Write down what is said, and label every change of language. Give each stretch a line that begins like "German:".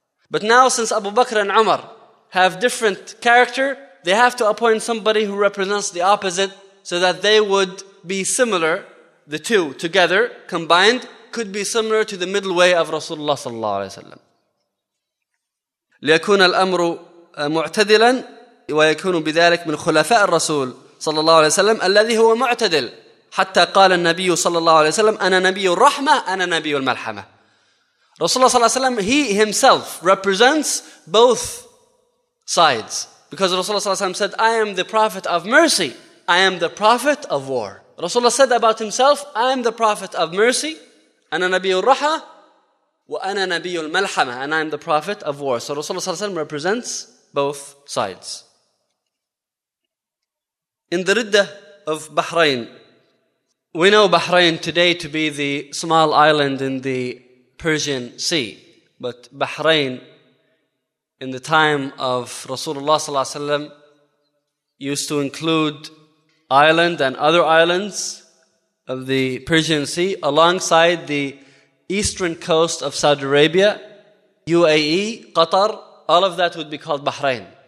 English: But now, since Abu Bakr and Umar have different character, they have to appoint somebody who represents the opposite, so that they would be similar, the two together, combined, could be similar to the middle way of Rasulullah sallallahu alayhi wa sallam.
Arabic: ليكون الأمر معتدلا ويكون بذلك من خلفاء الرسول صلى الله عليه وسلم الذي هو معتدل حتى قال النبي صلى الله عليه وسلم أنا نبي الرحمة أنا نبي الملحمة.
English: رسول الله صلى الله عليه وسلم, he himself represents both sides, because رسول الله صلى الله عليه وسلم said, I am the prophet of mercy, I am the prophet of war. رسول الله said about himself, I am the prophet of mercy,
Arabic: أنا نبي الرحمة, وأنا نبي الملحمة,
English: and I am the prophet of war. So رسول الله صلى الله عليه وسلم represents both sides. In the Ridda of Bahrain, we know Bahrain today to be the small island in the Persian Sea. But Bahrain, in the time of Rasulullah صلى الله عليه وسلم, used to include Ireland and other islands of the Persian Sea alongside the eastern coast of Saudi Arabia, UAE, Qatar, all of that would be called Bahrain.